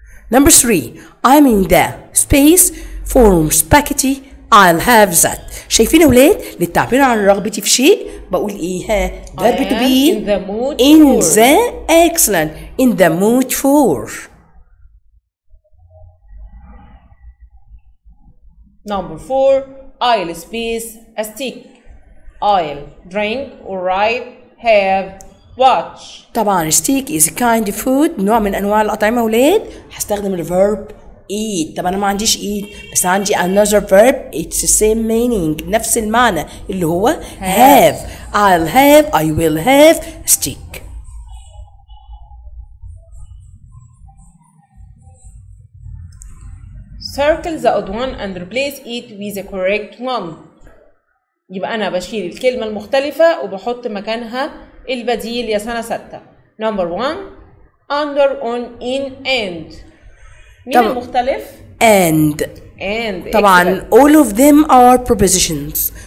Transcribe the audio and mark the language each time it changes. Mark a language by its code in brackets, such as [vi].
[en] Number three, I'm in the space for spaghetti, I'll have that. [ar] شايفين أولاد للتعبير عن رغبتي في شيء بقول إيه, ها [en] verb to be in the mood in for. The excellent, in the mood for. Number four, I'll space a stick, I'll drink, alright, have. Watch. [ar] طبعا [en] steak is a kind of food, [ar] نوع من انواع الاطعمة اولاد. هستخدم الverb eat. طبعا انا ما عنديش eat بس عندي [en] another verb, it's the same meaning, [ar] نفس المعنى اللي هو have. [en] I'll have, I will have steak. Circle the odd one and replace it with the correct one. [ar] يبقى انا بشيل الكلمة المختلفة وبحط مكانها البديل يا سنة ستة. [en] Number one, under, on, in, and. [ar] مين المختلف؟ [en] And. And. [ar] طبعا [en] excellent. All of them are prepositions.